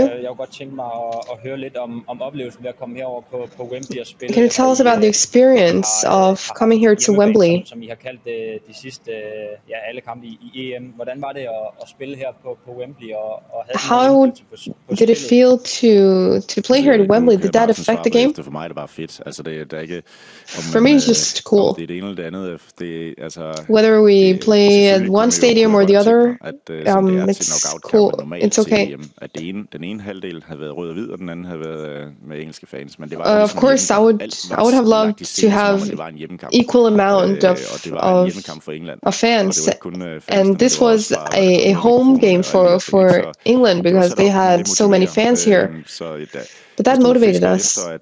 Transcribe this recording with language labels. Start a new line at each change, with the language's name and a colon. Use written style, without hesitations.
Danish: Jeg kunne godt tænke mig at høre lidt om oplevelsen ved at komme herover på Wembley og spille.
English: Can you tell us about the experience of coming here to Wembley?
Danish: Som I har kaldt de sidste alle kampe i EM. Hvordan var det at spille her på Wembley og havde
English: How did it feel to play here at Wembley? Did that affect the game?
Danish: For mig er det bare fedt. Altså det er ikke
English: For me it's just cool.
Danish: Det er det ene eller det andet. Det altså
English: Whether we play at one stadium or the other, it's cool. It's okay.
Danish: Den ene halvdel havde været rød og hvid, og den anden havde været med engelske fans, men det var
English: of course I would have loved to have equal amount of England, fans and this was a home game for England because they had so many fans here, but that motivated us.